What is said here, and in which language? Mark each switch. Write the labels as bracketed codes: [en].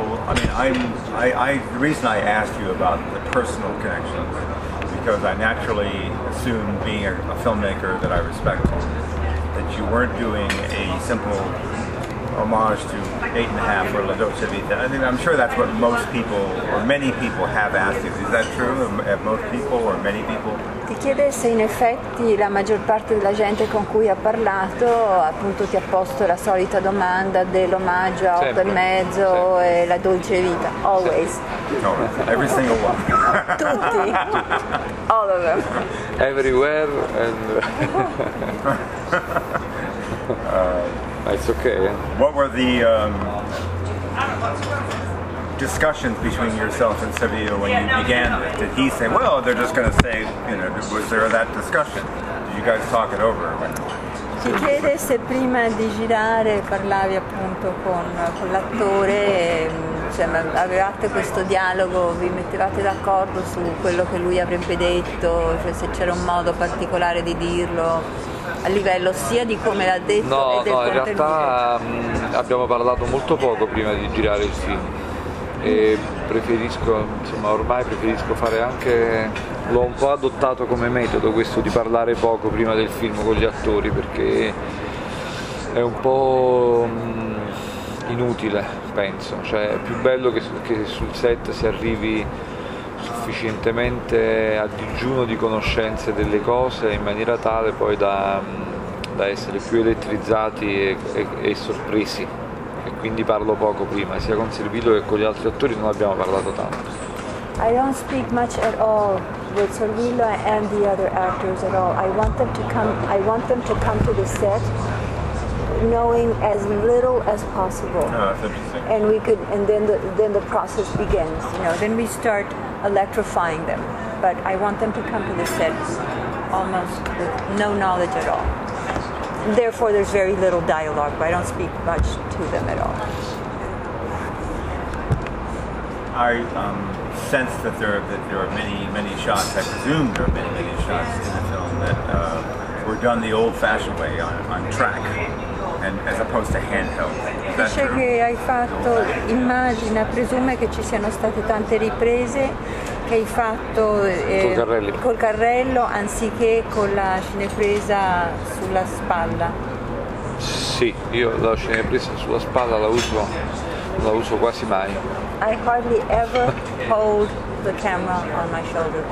[en] I mean, the reason I asked you about the personal connections, because I naturally assumed, being a filmmaker that I respect, that you weren't doing a simple homage to 8 1/2 or La Dolce Vita. I mean, I'm sure that's what most people, or many people, have asked you. Is that true? Have most people, or many people? [it] Ti chiede se in effetti la maggior parte della gente con cui ha parlato appunto ti ha posto la solita domanda dell'omaggio a 8 1/2 e la Dolce Vita. [en] Always. [it] Sempre. [en] Every single one. [it] Tutti. [en] All of them. Everywhere. And it's okay. What were the discussions between yourself and Sevilla when you began? Did he say, well, they're just going to say, you know, was there that discussion? Did you guys talk it over? [it] Si chiede se prima di girare parlavi appunto con l'attore, cioè avevate questo dialogo, vi mettevate d'accordo su quello che lui avrebbe detto, cioè se c'era un modo particolare di dirlo a livello sia di come l'ha detto no, e del no, No, in realtà abbiamo parlato molto poco prima di girare il film. E preferisco, insomma, ormai preferisco fare anche, l'ho un po' adottato come metodo questo di parlare poco prima del film con gli attori, perché è un po' inutile, penso, cioè è più bello che sul set si arrivi sufficientemente a digiuno di conoscenze delle cose in maniera tale poi da essere più elettrizzati e sorpresi. Quindi parlo poco prima, sia con Servillo che con gli altri attori non abbiamo parlato tanto. [en] I don't speak much at all with Servillo and the other actors at all. I want them to come to the set knowing as little as possible. Oh, that's interesting. And then the process begins, you know. Then we start electrifying them. But I want them to come to the set almost with no knowledge at all. Therefore, there's very little dialogue, but I don't speak much to them at all. I sense that there are many shots. I presume there are many shots in the film that were done the old-fashioned way on track, and as opposed to handheld. [it] Dice che hai fatto, immagina, presume che ci siano state tante riprese che hai fatto col carrello anziché con la cinepresa sulla spalla. Sì, io la cinepresa sulla spalla la uso quasi mai. [en] I hardly ever hold the camera on my shoulder.